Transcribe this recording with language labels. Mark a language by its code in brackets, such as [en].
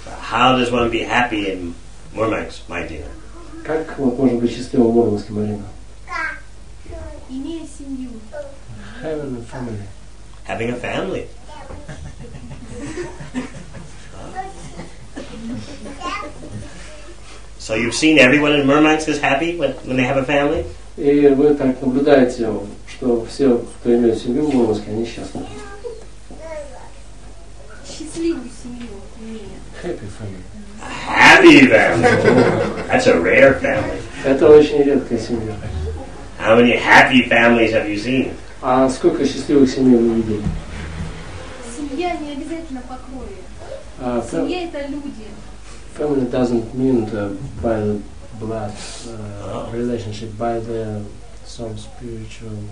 [en] How does one be happy in Murmansk, Марина? [ru] Как можно быть счастливым в Мурманске, Марина? Имея семью. [en] Having a family. Having a family. So you've seen everyone in Murmansk is happy when they have a family? [ru] И вы так наблюдаете, что все, кто имеет семью в Мурманске, они счастливы. Счастливую семью. [en] Happy family. Happy family. That's a rare family. [ru] Это очень редкая семья. [en] How many happy families have you seen? [ru] А сколько счастливых семей вы видели? Семья не обязательно по крови. Семья это люди. [en] Family doesn't mean by the blood relationship, by the some spiritual.